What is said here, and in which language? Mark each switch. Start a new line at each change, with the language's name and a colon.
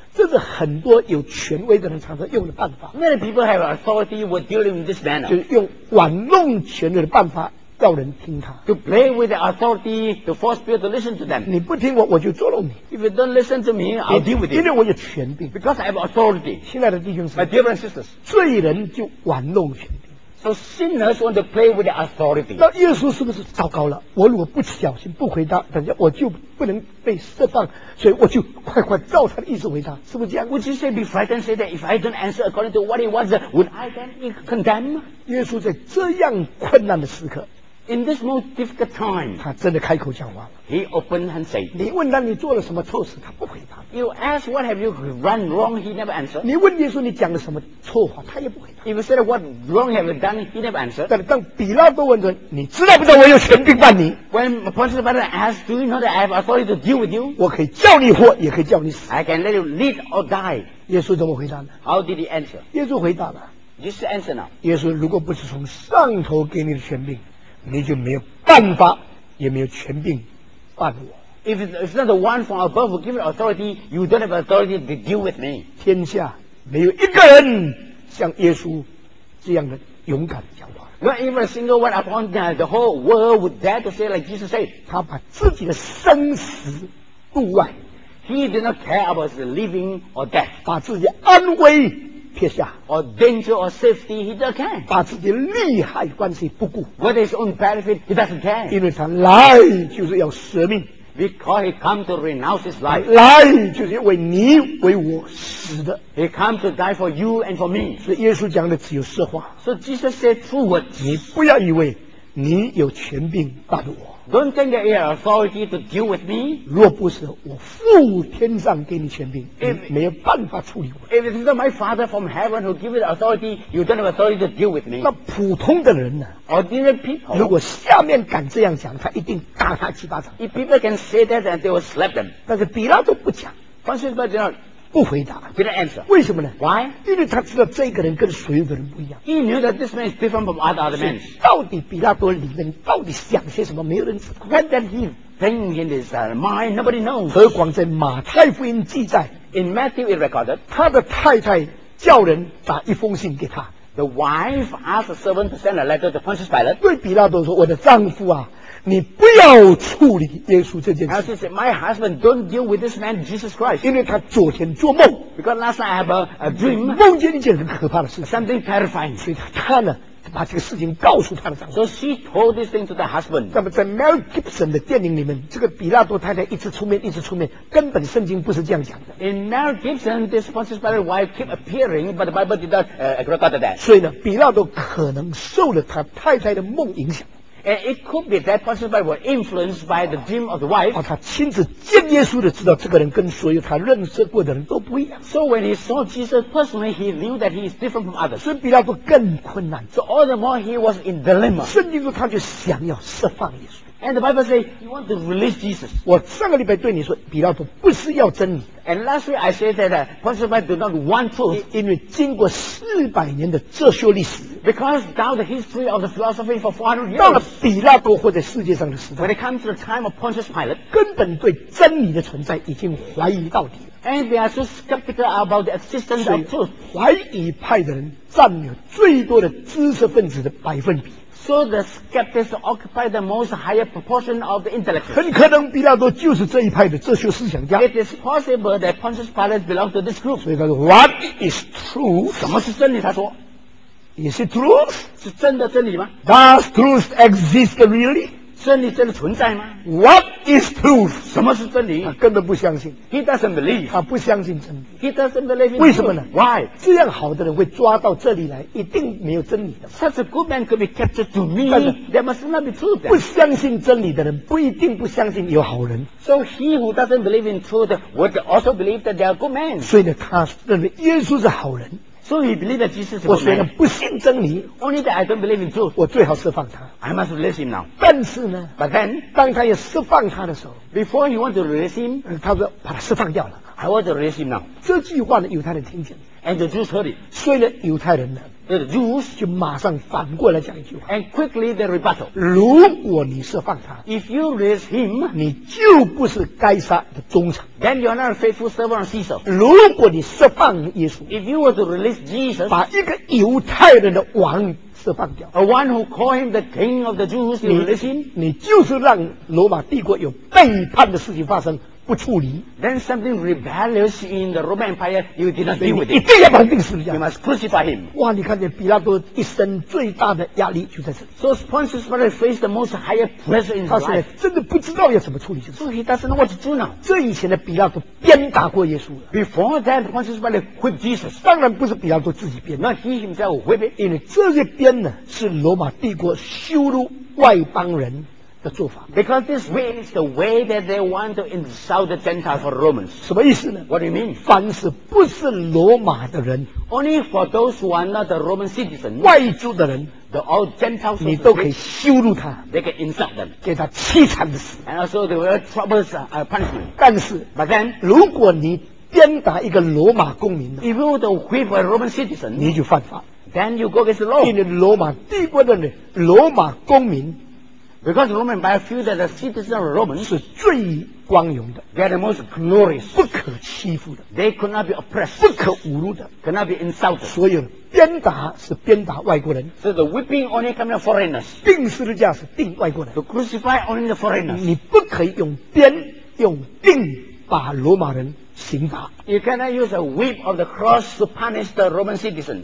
Chinese: 这是很多有权威的人常常用的办法。
English: Many people have authority when dealing in this manner.
Chinese: 就是用玩弄权力的办法叫人听他。
English: To play with the authority, to force people to listen to them.
Chinese: 你不听我，我就捉弄你。
English: If you don't listen to me, I'll deal with you.
Chinese: 因为我有权柄。
English: Because I have authority.
Chinese: 亲爱的弟兄姊妹
English: ，My dear sisters,
Chinese: 罪人就玩弄权柄。
English: So sinners want to play with the authority.
Chinese: 那耶稣是不是糟糕了？我如果不小心不回答，等下我就不能被释放，所以我就快快照他的意思回答，是不是这样
English: ？Would you say be frightened, say that if I don't answer according to what he wants, would I then be condemned?
Chinese: 耶稣在这样困难的时刻
English: ，In this most difficult time,
Chinese: 他真的开口讲话了。
English: He opened and said,
Chinese: 你问他你做了什么错事，他不回答。
English: You ask what have you done wrong, he never answered.
Chinese: 你问耶稣你讲了什么错话，他也不回答。
English: If you said what wrong have you done, he never answered.
Chinese: 但当比拉多问着，你知道不知道我有权柄办你
English: ？When Pontius Pilate asks, do you know that I have authority to deal with you?
Chinese: 我可以叫你活，也可以叫你死。
English: I can let you live or die.
Chinese: 耶稣怎么回答呢
English: ？How did he answer?
Chinese: 耶稣回答了。
English: This answer now.
Chinese: 耶稣如果不是从上头给你的权柄，你就没有办法，也没有权柄办我。
English: If it's not the one from above who gives authority, you don't have authority to deal with me.
Chinese: 天下没有一个人像耶稣这样的勇敢讲话。
English: Not even a single one upon the whole world would dare to say like Jesus said.
Chinese: 他把自己的生死度外。
English: He did not care about the living or death.
Chinese: 把自己安危撇下。
English: Or danger or safety, he doesn't care.
Chinese: 把自己利害关系不顾。
English: Whether his own benefit, he doesn't care.
Chinese: 因为他来就是要舍命。
English: Because he come to renounce his life.
Chinese: 来就是为你为我死的。
English: He come to die for you and for me.
Chinese: 所以耶稣讲的只有实话。
English: So Jesus said true words.
Chinese: 你不要以为你有权柄大于我。
English: Don't think that you have authority to deal with me.
Chinese: 若不是我父天上给你权柄，你没有办法处理我。
English: If it's not my father from heaven who gives you authority, you don't have authority to deal with me.
Chinese: 那普通的人呢
English: ？Ordinary people.
Chinese: 如果下面敢这样讲，他一定打他七八掌。
English: If people can say that, and they will slap them.
Chinese: 但是比拉多不讲，但是比拉。不回答
English: didn't answer.
Chinese: 为什么呢
English: Why?
Chinese: 因为他知道这个人跟所有的人不一样
English: He knew that this man is different from other men
Chinese: 到底比拉多里面到底想些什么没有人知道
English: What did he think in his mind? Nobody knows
Chinese: 何况在马太福音记载
English: In Matthew it recorded
Chinese: 他的太太叫人打一封信给他
English: The wife asked the servant to send a letter to Pontius Pilate
Chinese: 对比拉多说我的丈夫啊你不要处理耶稣这件事。
English: And she said, "My husband, don't deal with this man, Jesus Christ."
Chinese: 因为他昨天做梦。
English: Because last night I have a dream.
Chinese: 梦见一件很可怕的事。
English: Something terrifying.
Chinese: 所以他呢，把这个事情告诉他的丈夫。
English: So she told this thing to the husband.
Chinese: 那么在 Mel Gibson 的电影里面，这个比拉多太太一直出面，一直出面，根本圣经不是这样讲的。
English: In Mel Gibson, this Pontius Pilate wife kept appearing, but the Bible did not record that.
Chinese: 所以呢，比拉多可能受了他太太的梦影响。
English: And it could be that Pontius Pilate was influenced by the dream of the wife.
Chinese: 他亲自见耶稣的知道这个人跟所有他认识过的人都不一样。
English: So when he saw Jesus personally, he knew that he is different from others.
Chinese: 所以比拉多更困难。
English: So all the more he was in dilemma.
Chinese: 圣经中他就想要释放耶稣。
English: And the Bible says, you want to release Jesus.
Chinese: 我上个礼拜对你说，比拉多不是要真理。
English: And last week I said that Pontius Pilate did not want truth.
Chinese: 因为经过400年的哲学历史。
English: Because down the history of the philosophy for 400 years.
Chinese: 到了比拉多或者世界上的时代。
English: When it comes to the time of Pontius Pilate.
Chinese: 根本对真理的存在已经怀疑到底。
English: And they are so skeptical about the existence of truth.
Chinese: 怀疑派的人占有最多的知识分子的百分比。
English: So the skeptics occupy the most higher proportion of the intellect.
Chinese: 很可能比拉多就是这一派的哲学思想家。
English: It is possible that Pontius Pilate belongs to this group.
Chinese: 所以他说 ,
English: What is truth?
Chinese: 什么是真理他说
English: ,Is it truth?
Chinese: 是真的真理吗
English: ?Does truth exist really?
Chinese: 真理真的存在吗
English: ?What is truth?
Chinese: 什么是真理他根本不相信。
English: He doesn't believe.
Chinese: 他不相信真理。
English: He doesn't believe in truth.
Chinese: 为什么呢
English: ?Why?
Chinese: 这样好的人会抓到这里来一定没有真理的。
English: Such a good man could be captured to me. There must not be truth.
Chinese: 不相信真理的人不一定不相信有好人。
English: So he who doesn't believe in truth would also believe that they are good men.
Chinese: 所以呢他认为耶稣是好人。
English: So he believed that Jesus is a good man.
Chinese: 我虽然不信真理
English: Only that I don't believe in truth.
Chinese: 我最好释放他
English: I must release him now.
Chinese: 但是呢
English: But then
Chinese: 当他要释放他的时候
English: Before he wants to release him
Chinese: 他说把他释放掉了
English: I want to release him now.
Chinese: 这句话呢犹太人听见
English: And the Jews heard it.
Chinese: 所以呢犹太人呢
English: The Jews
Chinese: 就马上反过来讲一句话
English: And quickly they rebuttal.
Chinese: 如果你释放他
English: If you release him
Chinese: 你就不是该杀的忠臣
English: Then you are not a faithful servant of Caesar.
Chinese: 如果你释放耶稣
English: If you were to release Jesus,
Chinese: 把一个犹太人的王释放掉
English: A one who called him the king of the Jews, you release him?
Chinese: 你就是让罗马帝国有背叛的事情发生不处理
English: Then something rebellious in the Roman Empire, you did not deal with
Chinese: it. 一定要把他定死掉
English: You must crucify him.
Chinese: 哇你看见比拉多一生最大的压力就在这里
English: So Pontius Pilate faced the most higher pressure in his life.
Chinese: 他现在真的不知道要怎么处理、就是、
English: So he doesn't know what to do now.
Chinese: 这以前的比拉多鞭打过耶稣了
English: Before that, Pontius Pilate whipped Jesus.
Chinese: 当然不是比拉多自己鞭
English: Not he himself whipped
Chinese: it. 因为这些鞭呢是罗马帝国羞辱外邦人的做法
English: Because this way is the way that they want to insult the Gentiles for Romans.
Chinese: 什么意思呢
English: What do you mean?
Chinese: 凡是不是罗马的人
English: Only for those who are not a Roman citizen.
Chinese: 外族的人
English: The all Gentiles.
Chinese: 你都可以羞辱他
English: They can insult them.
Chinese: 给他凄惨的死
English: And also they will troubles are punishment.
Chinese: 但是
English: But then,
Chinese: 如果你鞭打一个罗马公民
English: If you were to whip a Roman citizen.
Chinese: 你就犯法
English: Then you go against the law.
Chinese: 因为罗马帝国的人罗马公民
English: Because the Roman Empire feel that the citizens of Romans
Chinese: 是最光荣的
English: They are the most glorious
Chinese: 不可欺负的
English: They could not be oppressed
Chinese: 不可侮辱的
English: Could not be insulted
Chinese: 所以鞭打是鞭打外国人
English: So the whipping only comes from foreigners
Chinese: 钉十字架是钉外国人
English: To crucify only the foreigners
Chinese: 你不可以用鞭用钉把罗马人刑罚
English: You cannot use a whip of the cross to punish the Roman citizens